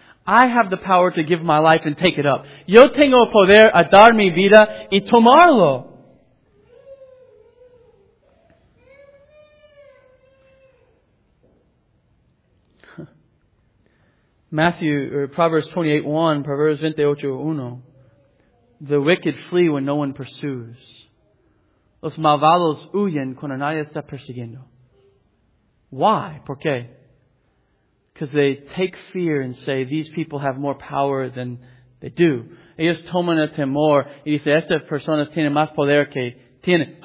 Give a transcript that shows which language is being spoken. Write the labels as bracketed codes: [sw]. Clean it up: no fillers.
[en] I have the power to give my life and take it up. [es] Yo tengo poder a dar mi vida y tomarlo. [en] Matthew, or Proverbs 28:1, the wicked flee when no one pursues. [es] Los malvados huyen cuando nadie está persiguiendo. [en] Why? [es] ¿Por qué? [en] Because they take fear and say, these people have more power than they do. [es] Ellos toman el temor y dicen, estas personas tienen más poder que tienen.